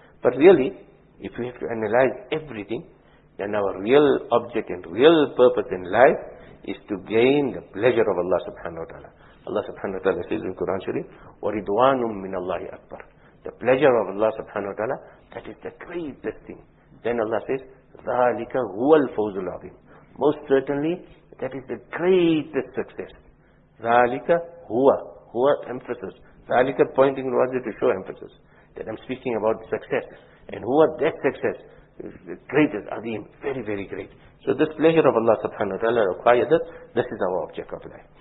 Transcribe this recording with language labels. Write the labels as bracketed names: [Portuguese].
[English] But really, if we have to analyze everything, then our real object and real purpose in life is to gain the pleasure of Allah subhanahu wa ta'ala. Allah subhanahu wa ta'ala says in Quran Sharif, [Arabic] وَرِضْوَانٌ مِّنَ اللَّهِ أَكْبَرٌ. [English] The pleasure of Allah subhanahu wa ta'ala, that is the greatest thing. Then Allah says, [Arabic] ذَلِكَ هُوَ الْفَوْزُ الْعَظِيمُ. [English] Most certainly, that is the greatest success. [Arabic] ذَلِكَ هُوَ. [English] هُوَ emphasis. ذَلِكَ pointing towards it to show emphasis. That I'm speaking about success. And هُوَ that success. The greatest, azim, very, very great. So this pleasure of Allah subhanahu wa ta'ala requires us, this is our object of life.